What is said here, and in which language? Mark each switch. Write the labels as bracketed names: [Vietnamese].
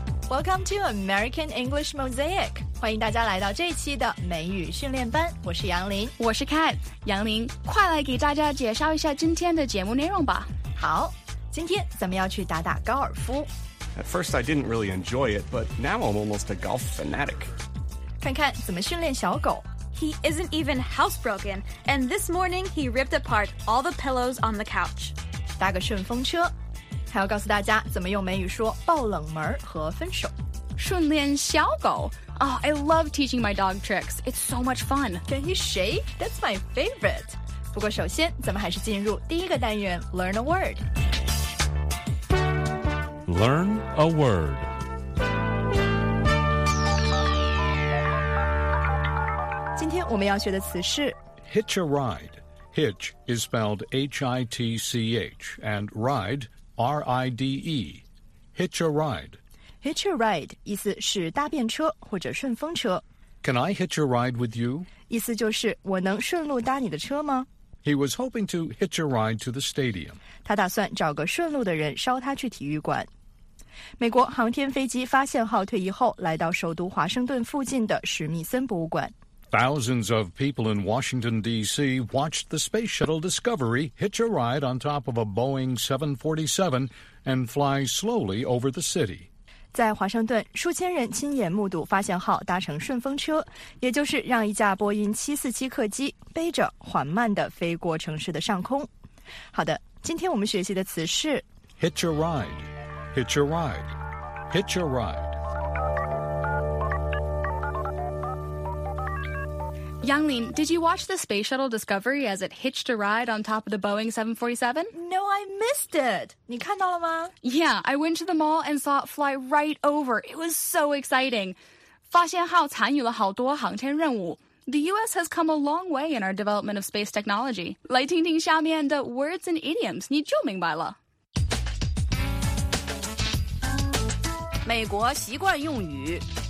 [English] Welcome to American English Mosaic. [Chinese] 欢迎大家来到这一期的美语训练班。我是杨林。我是 Kat。杨林，快来给大家介绍一下今天的节目内容吧。好，今天咱们要去打打高尔夫。 [English] At first I didn't really enjoy it, but now I'm almost a golf fanatic. [Chinese] 看看怎么训练小狗。 [English] He isn't even housebroken, and this morning he ripped apart all the pillows on the couch. [Chinese] 搭个顺风车。还要告诉大家怎么用美语说爆冷门和分手。训练小狗。 [English] Oh, I love teaching my dog tricks. It's so much fun. Can he shake? That's my favorite. [Chinese] 不过首先咱们还是进入第一个单元 [English] Learn a word. Learn a word. Hitch a ride. Hitch is spelled H-I-T-C-H and ride,R-I-D-E, hitch a ride. Hitch a ride, [Chinese] 意思是搭便车或者顺风车。 [English] Can I hitch a ride with you? [Chinese] 意思就是我能顺路搭你的车吗? [English] He was hoping to hitch a ride to the stadium. [Chinese] 他打算找个顺路的人捎他去体育馆。美国航天飞机发现号退役后来到首都华盛顿附近的史密森博物馆。 [English] Thousands of people in Washington, D.C. watched the space shuttle Discovery hitch a ride on top of a Boeing 747 and fly slowly over the city. [Chinese] 在华盛顿，数千人亲眼目睹发现号搭乘顺风车，也就是让一架波音747客机背着缓慢地飞过城市的上空。好的，今天我们学习的词是 [English] hitch a ride, hitch a ride, hitch a ride. Yanglin, did you watch the space shuttle Discovery as it hitched a ride on top of the Boeing 747? No, I missed it. [Chinese] 你看到了吗? [English] Yeah, I went to the mall and saw it fly right over. It was so exciting. [Chinese] 发现号参与了好多航天任务。 [English] The U.S. has come a long way in our development of space technology. [Chinese] 来听听下面的 [English] words and idioms, [Chinese] 你就明白了。美国习惯用语